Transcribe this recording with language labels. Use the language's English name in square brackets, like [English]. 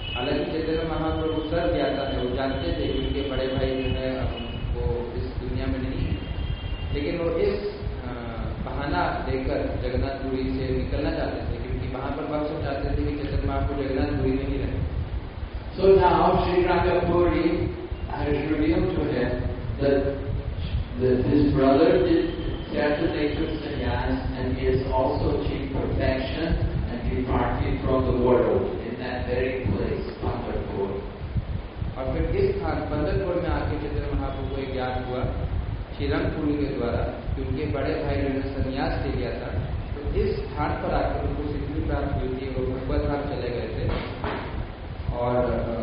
[Hindi] हालांकि चेतन्य महाप्रभु सर्व यात्रा थे, वो जानते थे कि उनके बड़े भाई जो है वो इस दुनिया में नहीं है, लेकिन वो इस बहाना देकर जगन्नाथ पुरी से निकलना चाहते थे क्योंकि वहां पर वह सब चाहते थे कि चेतन महाप्रभु जगन्नाथ पुरी में ही रहे. [English] So now Shri Rangpuri has revealed to him that his brother did certainly took sannyas and he has also achieved perfection and departed from the world in that very place, Pandharpur. [Hindi] और फिर इस स्थान पंडरपुर में आके चित्र महाप्रभु को एक ज्ञान हुआ श्री रंगपुरी के द्वारा कि उनके बड़े भाई ने सन्यास ले लिया था. तो इस स्थान पर आकर उनको सिद्धि प्राप्त हुई थी, वो भगवत धाम चले गए थे और